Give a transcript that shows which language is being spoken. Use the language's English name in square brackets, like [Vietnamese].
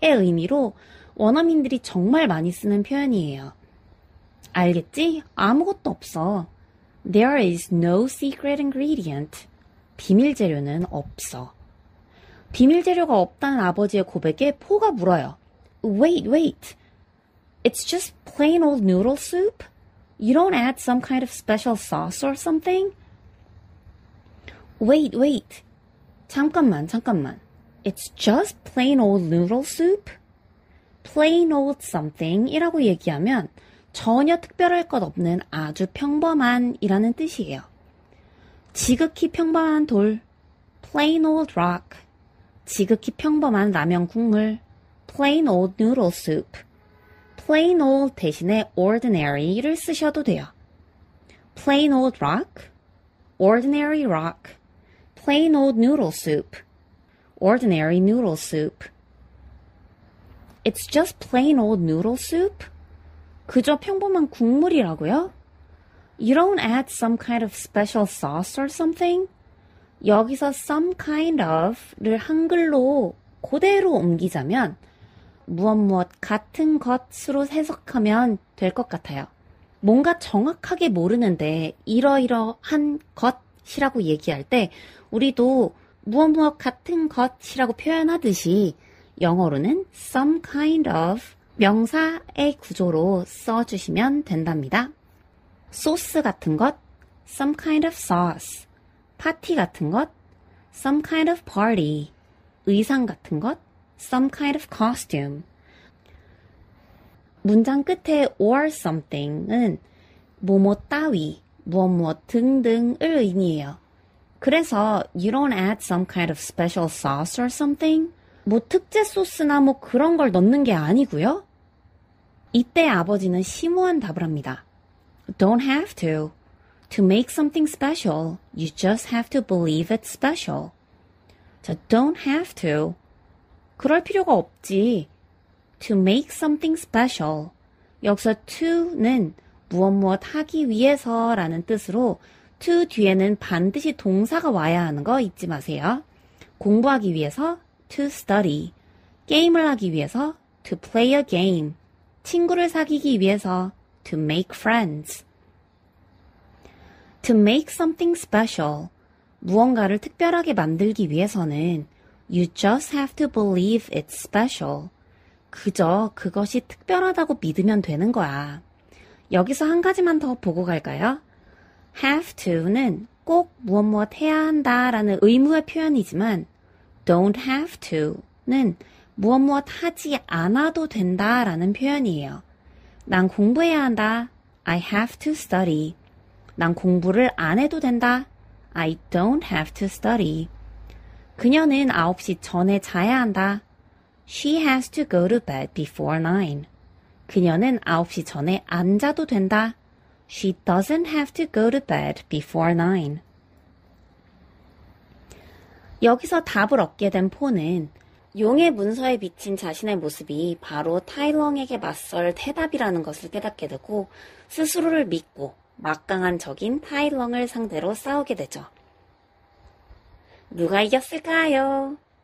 [Korean] 의 의미로 원어민들이 정말 많이 쓰는 표현이에요. 알겠지? 아무것도 없어. [English] There is no secret ingredient. [Korean] 비밀 재료는 없어. 비밀 재료가 없다는 아버지의 고백에 포가 물어요. [English] Wait, wait. It's just plain old noodle soup? You don't add some kind of special sauce or something? Wait, wait. [Korean] 잠깐만, 잠깐만. [English] It's just plain old noodle soup? [Korean] Plain old something이라고 얘기하면 전혀 특별할 것 없는 아주 평범한이라는 뜻이에요. 지극히 평범한 돌, [English] plain old rock. [Korean] 지극히 평범한 라면 국물, [English] plain old noodle soup. [Korean] Plain old 대신에 ordinary를 쓰셔도 돼요. [English] Plain old rock, ordinary rock, plain old noodle soup, ordinary noodle soup. It's just plain old noodle soup? [Korean] 그저 평범한 국물이라고요? [English] You don't add some kind of special sauce or something? [Korean] 여기서 some kind of를 한글로 그대로 옮기자면 무엇 무엇 같은 것으로 해석하면 될 것 같아요. 뭔가 정확하게 모르는데 이러이러한 것이라고 얘기할 때 우리도 무엇 무엇 같은 것이라고 표현하듯이 영어로는 some kind of 명사의 구조로 써주시면 된답니다. 소스 같은 것, [English] some kind of sauce. [Korean] 파티 같은 것, [English] some kind of party. [Korean] 의상 같은 것, [English] some kind of costume. [Korean] 문장 끝에 or something은 뭐뭐 따위, 뭐뭐 등등을 의미해요. [English] 그래서 you don't add some kind of special sauce or something? [Korean] 뭐 특제 소스나 뭐 그런 걸 넣는 게 아니고요? 이때 아버지는 심오한 답을 합니다. [English] Don't have to. To make something special, you just have to believe it's special. So don't have to. [Korean] 그럴 필요가 없지. [English] To make something special. [Korean] 여기서 to는 무엇 무엇 하기 위해서 라는 뜻으로 to 뒤에는 반드시 동사가 와야 하는 거 잊지 마세요. 공부하기 위해서 [English] to study. [Korean] 게임을 하기 위해서 [English] to play a game. [Korean] 친구를 사귀기 위해서 [English] to make friends. To make something special. [Korean] 무언가를 특별하게 만들기 위해서는 [English] You just have to believe it's special. [Korean] 그저 그것이 특별하다고 믿으면 되는 거야. 여기서 한 가지만 더 보고 갈까요? Have to는 꼭 무엇 무엇 해야 한다라는 의무의 표현이지만 Don't have to는 무엇 무엇 하지 않아도 된다라는 표현이에요. 난 공부해야 한다. [English] I have to study. [Korean] 난 공부를 안 해도 된다. [English] I don't have to study. [Korean] 그녀는 9시 전에 자야 한다. [English] She has to go to bed before 9. [Korean] 그녀는 9시 전에 안 자도 된다. [English] She doesn't have to go to bed before 9. [Korean] 여기서 답을 얻게 된 포는 용의 문서에 비친 자신의 모습이 바로 타일렁에게 맞설 대답이라는 것을 깨닫게 되고 스스로를 믿고 막강한 적인 타일렁을 상대로 싸우게 되죠. 누가 이겼을까요?